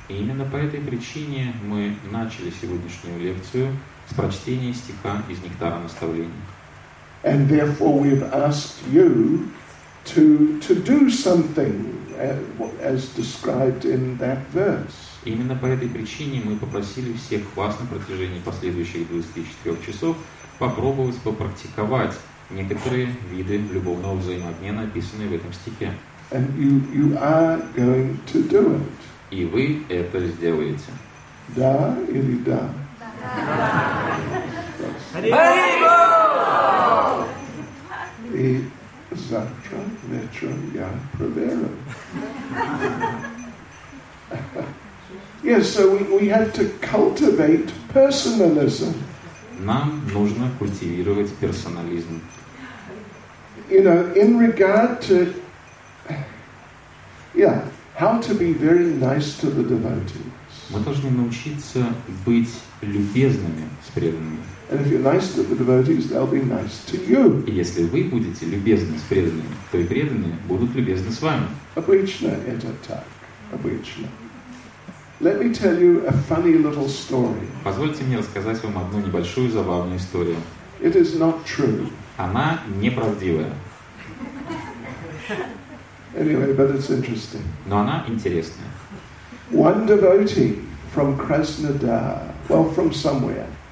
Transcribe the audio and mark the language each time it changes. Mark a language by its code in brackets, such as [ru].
[ru] И именно по этой причине мы начали сегодняшнюю лекцию с прочтения стиха из Нектара Наставления. [en] And therefore we've asked you to do something as described in that verse. [ru] И именно по этой причине мы попросили всех вас на протяжении последующих 24 часов попробовать попрактиковать некоторые виды любовного взаимообмена, описанные в этом стихе. [en] And you are going to do it. [ru] И вы это сделаете. Да или да? Да. Да. И завтра вечером я проверю. [en] Yes, so we have to cultivate personalism. [ru] Нам нужно культивировать персонализм. [en] You know, in regard to, how to be very nice to the devotees. [ru] Мы должны научиться быть любезными с преданными. [en] And if you're nice to the devotees, they'll be nice to you. [ru] И если вы будете любезны с преданными, то и преданные будут любезны с вами. Обычно это так. Обычно. [en] Let me tell you a funny little story. [ru] Позвольте мне рассказать вам одну небольшую забавную историю. [en] It is not true. [ru] Она неправдивая. [en] Anyway, but it's interesting. [ru] Но она интересная. [en] One devotee from Krasnodar, well, from somewhere.